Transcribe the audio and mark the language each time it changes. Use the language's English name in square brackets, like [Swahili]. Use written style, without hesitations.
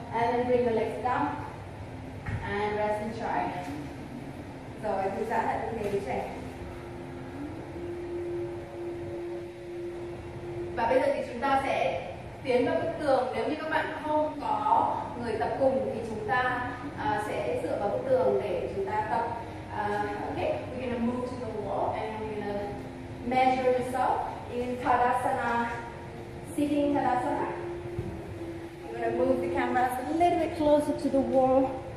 [English] And then bring the legs down and rest and try. [Vietnamese] Rồi thư giãn lại tư thế đứa trẻ. Và bây giờ thì chúng ta sẽ tiến vào bức tường. Nếu như các bạn không có người tập cùng thì chúng ta sẽ dựa vào bức tường để chúng ta tập. [English] Okay, we're gonna move to the wall and we're gonna measure yourself in Tadasana, sitting Tadasana. I'm gonna move the camera a little bit closer to the wall.